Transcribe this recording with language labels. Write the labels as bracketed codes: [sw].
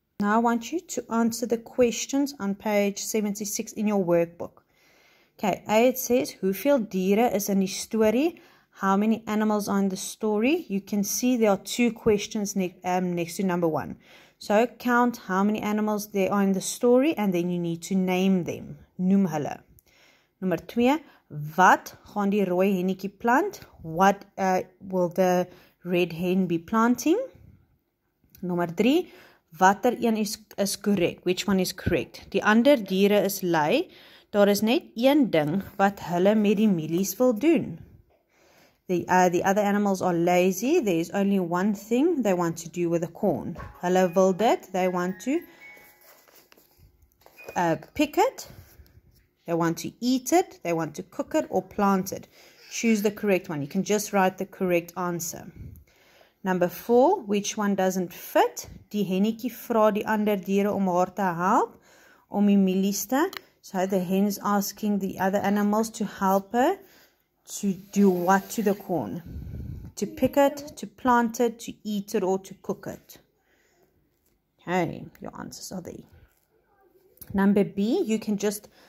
[en] Now I want you to answer the questions on page 76 in your workbook. Okay, A it says, [af] hoeveel dieren is in die story? [en] How many animals are in the story? You can see there are two questions next to number one. So count how many animals there are in the story and then you need to name them. [af] Noem hulle. Number 2, wat gaan die rooi hennetjie plant? [en] What will the red hen be planting? Number 3, [af] watter een is correct? [en] Which one is correct? [af] Die ander diere is lei. Daar is net een ding wat hulle met die mielies wil doen. [en] The other animals are lazy. There is only one thing they want to do with the corn. [af] Hulle wil dit. [en] They want to pick it. They want to eat it. They want to cook it or plant it. Choose the correct one. You can just write the correct answer. Number 4, which one doesn't fit? [af] Die hennetjie vra die ander diere om haar te help, om die mielies te. [en] So the hen's asking the other animals to help her to do what to the corn? To pick it, to plant it, to eat it or to cook it. Okay, your answers are there. Number B, you can just